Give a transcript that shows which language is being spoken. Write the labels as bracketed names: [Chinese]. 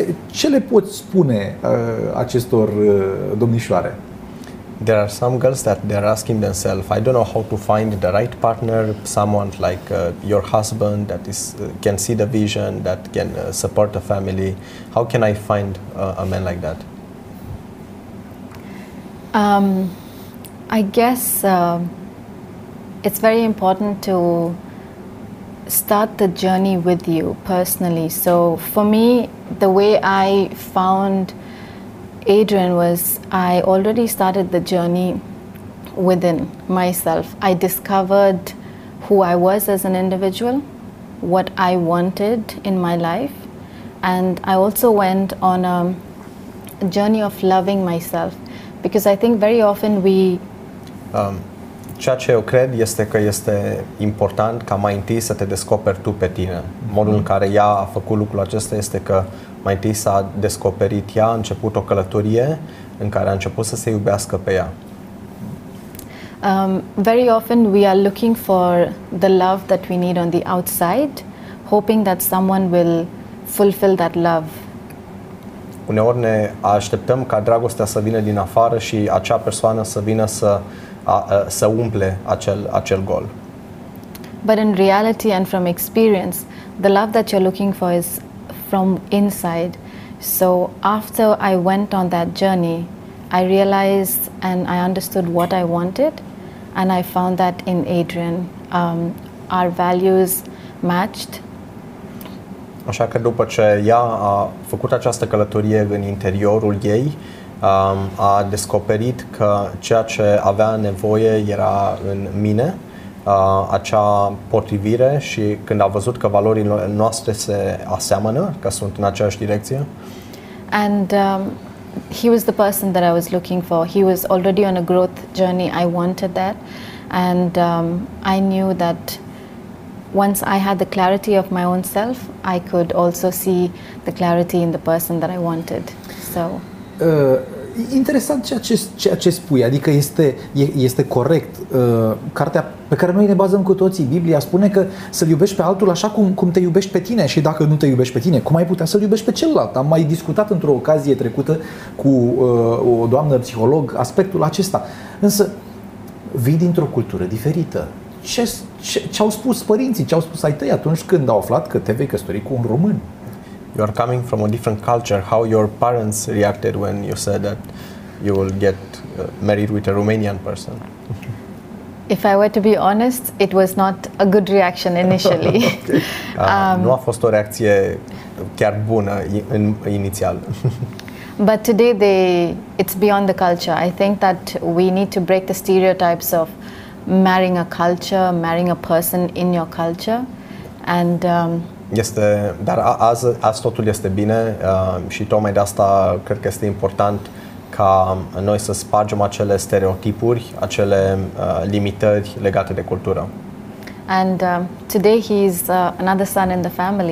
[Romanian] Ce le poți spune acestor domnișoare? [English] There are some girls that they are asking themselves, I don't know how to find the right partner, someone like your husband that is can see the vision, that can support the family. How can I find a man like that? I guess it's very important to start the journey with you personally. So for me, the way I found Adrian was I already started the journey within myself. I discovered who I was as an individual, what I wanted in my life, and I also went on a journey of loving myself, because I think very often we... [Romanian] Ceea ce eu cred este că este important ca mai întâi să te descoperi tu pe tine. Modul în care ea a făcut lucrul acesta este că mai întâi s-a descoperit ea, a început o călătorie în care a început să se iubească pe ea. [English] Very often we are looking for the love that we need on the outside, hoping that someone will fulfill that love. [Romanian] Uneori ne așteptăm ca dragostea să vină din afară și acea persoană să vină să umple acel gol. [English] But in reality and from experience, the love that you're looking for is from inside. So after I went on that journey, I realized and I understood what I wanted, and I found that in Adrian. Our values matched. [Romanian] Așa că după ce ea a făcut această călătorie în interiorul ei, a descoperit că ceea ce avea nevoie era în mine, acea potrivire, și când a văzut că valorile noastre se aseamănă, că sunt în aceeași direcție. [English] And he was the person that I was looking for. He was already on a growth journey. I wanted that. And I knew that once I had the clarity of my own self, I could also see the clarity in the person that I wanted. So [Romanian] interesant ceea ce spui, adică este corect. Cartea pe care noi ne bazăm cu toții, Biblia, spune că să-l iubești pe altul așa cum te iubești pe tine, și dacă nu te iubești pe tine, cum ai putea să-l iubești pe celălalt? Am mai discutat într-o ocazie trecută cu o doamnă psiholog aspectul acesta. Însă, vii dintr-o cultură diferită. Ce au spus părinții, ce au spus ai tăi atunci când au aflat că te vei căsători cu un român? [English] You are coming from a different culture. How your parents reacted when you said that you will get married with a Romanian person? If I were to be honest, it was not a good reaction initially. [Romanian] Nu a fost o reacție chiar bună inițial. [English] But today it's beyond the culture. I think that we need to break the stereotypes of marrying a culture, marrying a person in your culture. And [Romanian] este, dar azi totul este bine și tocmai de asta cred că este important ca noi să spargem acele stereotipuri, acele limitări legate de cultură. [English] And today he's another son in the family.